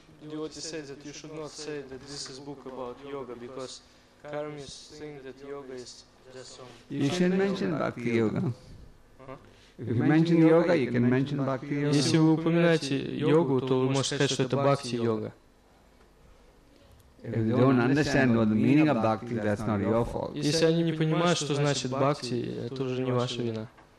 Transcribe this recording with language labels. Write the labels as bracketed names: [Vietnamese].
[English] Devotees say that you should not say that this is book about yoga because karmis think that yoga is just some. You should mention bhakti yoga. If you mention yoga, you can mention bhakti yoga. [Russian] Если вы упоминаете йогу, то вы можете сказать, что это бхакти йога. [English] If they don't understand what the meaning of bhakti, that's not your fault. [Russian] Если они не понимают, что значит бхакти, это уже не ваша вина.